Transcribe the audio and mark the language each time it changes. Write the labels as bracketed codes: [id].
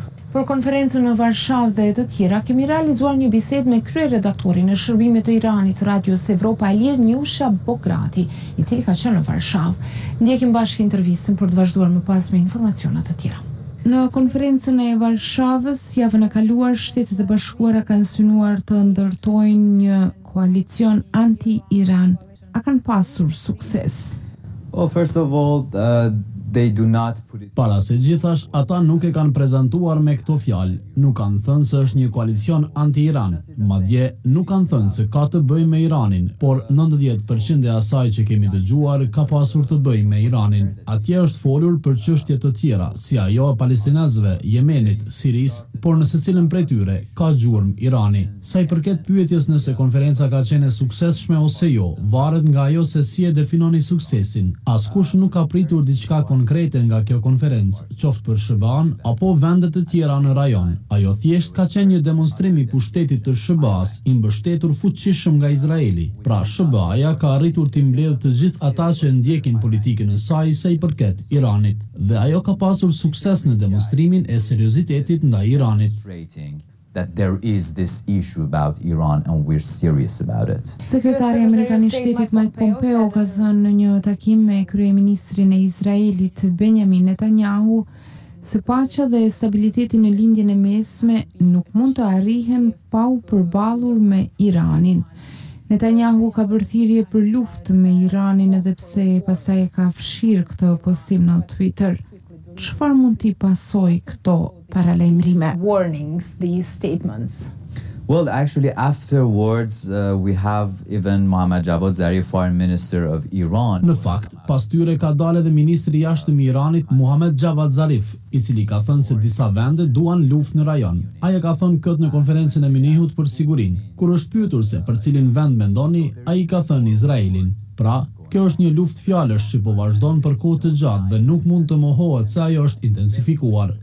[sq] Për konferencën në Varshavë dhe të tjera, kemi realizuar një bisedë me kryeredaktorin e shërbimit të Iranit, Radios Evropa e Lirë, Njusha Bograti, i cili ka qenë në Varshavë. Ndjekim bashkë intervistën për të vazhduar më pas me informacionat të tjera. Në konferencën e Varshavës, javën e kaluar, Shtetet e Bashkuara kanë synuar të ndërtojnë një koalicion anti-Iran. A kanë pasur sukses? [en] Well, first of all, they do not put it. [sq] Para se gjithash, ata nuk e kanë prezantuar me këto fjalë. Nuk kanë thënë se është një koalicion anti-Iran. Madje nuk kanë thënë se ka të bëjë me Iranin, por 90% e asaj që kemi dëgjuar ka pasur të bëjë me Iranin. Atje është folur për çështje të tjera, si ajo e palestinezëve, Jemenit, Sirisë, por në secilën prej tyre ka gjurmë Irani. Sa i përket pyetjes nëse konferenca ka qenë e suksesshme ose jo, varet nga ajo se si e definoni suksesin. Askush nuk ka pritur diçka konkrete nga kjo konferencë, qoftë për Shëban apo vendet e tjera në rajon. Ajo thjesht ka qenë një demonstrim i pushtetit të Shëbas, i mbështetur fuqishëm nga Izraeli. Pra Shëbaja ka arritur të mbledhë të gjithë ata që ndjekin politikën e saj sa i përket Iranit, dhe ajo ka pasur sukses në demonstrimin e seriozitetit ndaj Iranit. [en] That there is this issue about Iran and we're serious about it. [sq] Sekretari amerikan i shtetit Mike Pompeo ka thënë në një takim me kryeministrin e Izraelit Benjamin Netanyahu se paqja dhe stabiliteti në Lindjen e Mesme nuk mund të arrihen pa u përballur me Iranin. Netanyahu ka bërë thirrje për luftë me Iranin edhe pse pastaj ka fshirë këtë postim në Twitter. Çfarë mund t'i pasoj këto paralajmërime? [en] Warnings, these statements. Well, actually afterwards we have even Mohammad Javad Zarif, foreign minister of Iran. [sq] Në fakt, pas tyre ka dalë edhe ministri i jashtëm i Iranit Mohammad Javad Zarif, i cili ka thënë se disa vende duan luftë në rajon. Ai ka thënë këtë në konferencën e Munihut për sigurinë. Kur është pyetur se për cilin vend mendoni, ai ka thënë Izraelin. Pra, kjo është një luftë fjalësh që po vazhdon për kohë të gjatë dhe nuk mund të mohohet se ajo është intensifikuar.